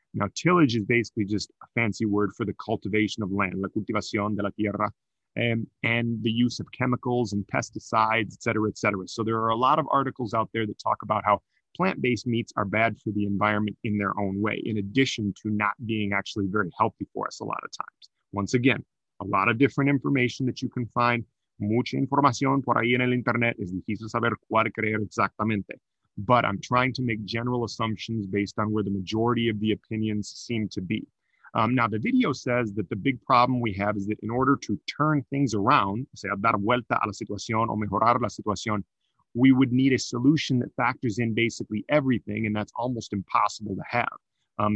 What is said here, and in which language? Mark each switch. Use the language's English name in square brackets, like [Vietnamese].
[English] Now, tillage is basically just a fancy word for the cultivation of land, [Spanish] la cultivación de la tierra, [English] and the use of chemicals and pesticides, et cetera, et cetera. So there are a lot of articles out there that talk about how plant-based meats are bad for the environment in their own way, in addition to not being actually very healthy for us a lot of times. Once again, a lot of different information that you can find. [Spanish] Mucha información por ahí en el internet es difícil saber cuál creer exactamente. [English] But I'm trying to make general assumptions based on where the majority of the opinions seem to be. Now, the video says that the big problem we have is that in order to turn things around, say, [Spanish] dar vuelta a la situación [English] o mejorar la situación, we would need a solution that factors in basically everything, and that's almost impossible to have.